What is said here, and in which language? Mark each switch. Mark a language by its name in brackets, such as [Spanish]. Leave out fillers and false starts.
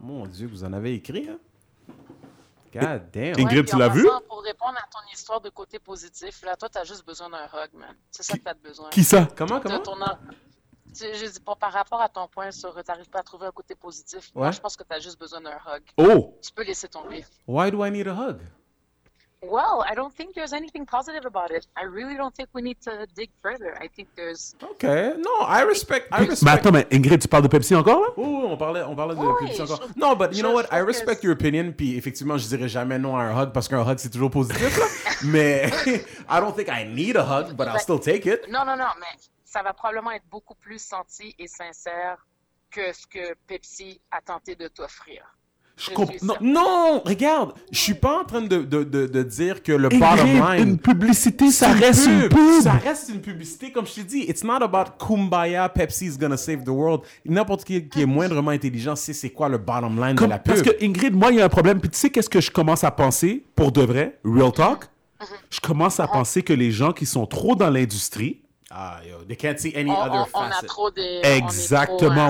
[French] Mon Dieu, vous en avez écrit, hein? [English] God damn. [French] Ouais, Ingrid, tu l'as vu? Pour répondre à ton histoire de côté positif, là, toi, t'as juste besoin d'un hug, man. C'est ça que t'as besoin. Qui ça? Comment? Je dis pas par rapport à ton point sur t'arrives pas à trouver un côté positif. Ouais. Moi, je pense que t'as juste besoin d'un hug. Oh. Tu peux laisser tomber. [English] Why do I need a hug? Well, I don't think there's anything positive about it. I really don't think we need to dig further. I think there's. Okay. No, I respect. [French] Mais attends, mais Ingrid, tu parles de Pepsi encore là? Oui, oh, on parlait de oui, Pepsi encore. Non, [English] but you know what? I respect your opinion. [French] Puis effectivement, je dirais jamais non à un hug parce qu'un hug c'est toujours positif. Mais [English] I don't think I need a hug, but I'll still take it. [French] Non, mais. Ça va probablement être beaucoup plus senti et sincère que ce que Pepsi a tenté de t'offrir. Non, regarde, je ne suis pas en train de dire que le bottom line... Une publicité, ça reste une pub. Ça reste une publicité, comme je t'ai dit. [English] It's not about kumbaya, Pepsi is gonna save the world. [French] N'importe qui est moindrement intelligent sait c'est quoi le bottom line de la pub. Parce que Ingrid, moi, il y a un problème. Puis tu sais qu'est-ce que je commence à penser, pour de vrai, [English] real talk? [French] Mm-hmm. Je commence à penser que les gens qui sont trop dans l'industrie... [English] They can't see any other facet. [French] Exactement,